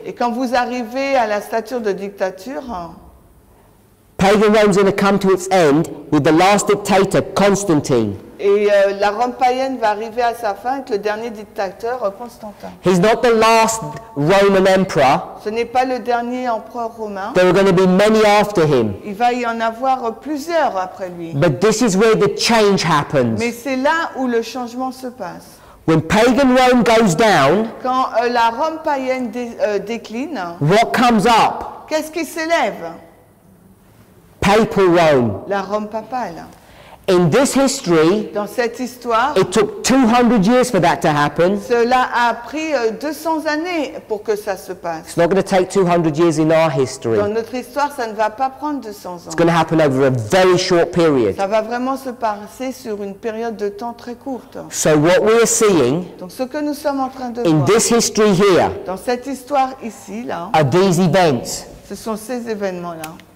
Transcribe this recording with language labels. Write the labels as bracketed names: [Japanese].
[French] et quand vous arrivez à la stature de dictature, [English] pagan Rome's going to come to its end with the last dictator, Constantine. [French] Et la Rome païenne va arriver à sa fin avec le dernier dictateur, Constantin. [English] He's not the last Roman emperor. [French] Ce n'est pas le dernier empereur romain. [English] There are going to be many after him. [French] Il va y en avoir plusieurs après lui. [English] But this is where the change happens. [French] Mais c'est là où le changement se passe. [English] When pagan Rome goes down, [French] quand la Rome païenne décline, [English] what comes up? [French] Qu'est-ce qui s'élève? [English] Papal Rome. [French] La Rome papale. [English] In this history, [French] dans cette histoire, [English] it took 200 years for that to happen. [French] Cela a pris 200 années pour que ça se passe. [English] It's not going to take 200 years in our history. [French] Dans notre histoire, ça ne va pas prendre 200 ans. [English] It's going to happen over a very short period. [French] Ça va vraiment se passer sur une période de temps très courte. [English] So what we are seeing, [French] donc ce que nous sommes en train de [English] in [French] voir, [English] this history here, [French] dans cette histoire ici, là, [English] are these events. [French] Ce sont ces événements-là.